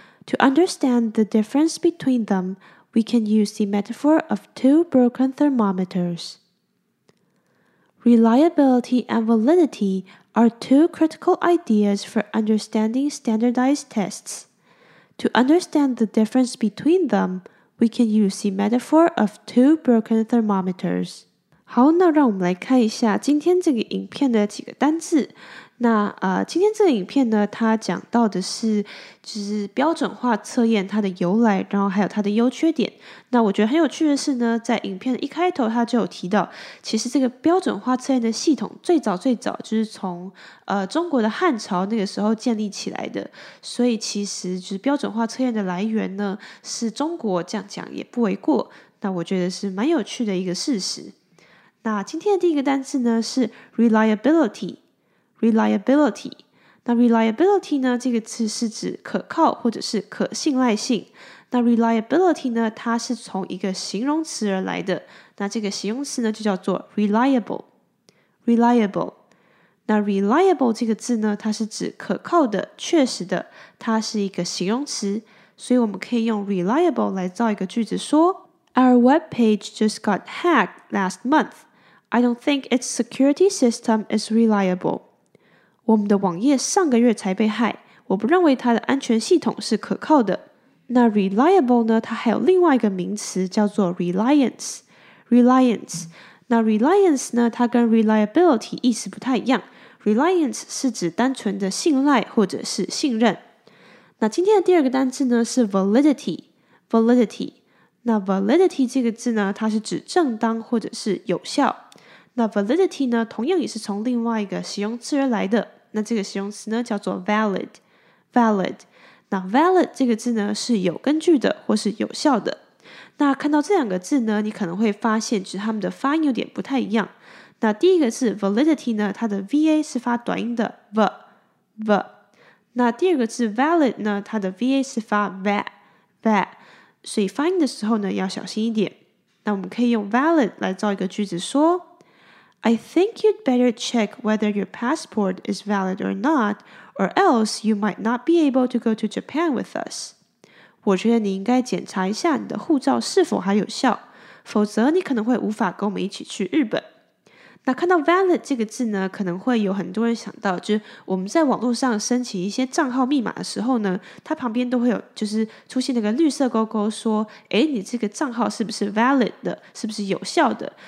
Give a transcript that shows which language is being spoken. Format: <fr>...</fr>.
<en>To understand the difference between them, we can use the metaphor of two broken thermometers. Reliability and validity are two critical ideas for understanding standardized tests. To understand the difference between them, we can use the metaphor of two broken thermometers.</en> <zh>好，那让我们来看一下今天这个影片的几个单字。那今天这个影片呢，它讲到的是就是标准化测验它的由来，然后还有它的优缺点。那我觉得很有趣的是呢，在影片的一开头它就有提到，其实这个标准化测验的系统最早就是从中国的汉朝那个时候建立起来的，所以其实就是标准化测验的来源呢是中国，这样讲也不为过。那我觉得是蛮有趣的一个事实。那今天的第一个单字呢是 reliability。 Reliability， 那 reliability 呢？这个词是指可靠或者是可信赖性。那 reliability 呢？它是从一个形容词而来的。那这个形容词呢，就叫做 reliable。 Reliable， 那 reliable 这个字呢？它是指可靠的、确实的，它是一个形容词。所以我们可以用 reliable 来造一个句子说 ：</zh> <en>Our web page just got hacked last month. I don't think its security system is reliable.</en> <zh>我们的网页上个月才被害，我不认为它的安全系统是可靠的。那 reliable 呢，它还有另外一个名词叫做 reliance。 reliance， 那 reliance 呢，它跟 reliability 意思不太一样。 reliance 是指单纯的信赖或者是信任。那今天的第二个单字呢是 validity。validity， 那 validity 这个字呢，它是指正当或者是有效。那 validity 呢，同样也是从另外一个形容词而来的。那这个形容词呢，叫做 valid。valid， 那 valid 这个字呢，是有根据的或是有效的。那看到这两个字呢，你可能会发现，其实它们的发音有点不太一样。那第一个字 validity 呢，它的 va 是发短音的 v v。那第二个字 valid 呢，它的 va 是发 va va， 所以发音的时候呢，要小心一点。那我们可以用 valid 来造一个句子说。</zh> <en>I think you'd better check whether your passport is valid or not, or else you might not be able to go to Japan with us.</en> <zh>我觉得你应该检查一下你的护照是否还有效，否则你可能会无法跟我们一起去日本。那看到 valid 这个字呢，可能会有很多人想到，就是我们在网络上申请一些账号密码的时候呢，它旁边都会有就是出现那个绿色勾勾说，诶，你这个账号是不是 valid 的，是不是有效的。</zh>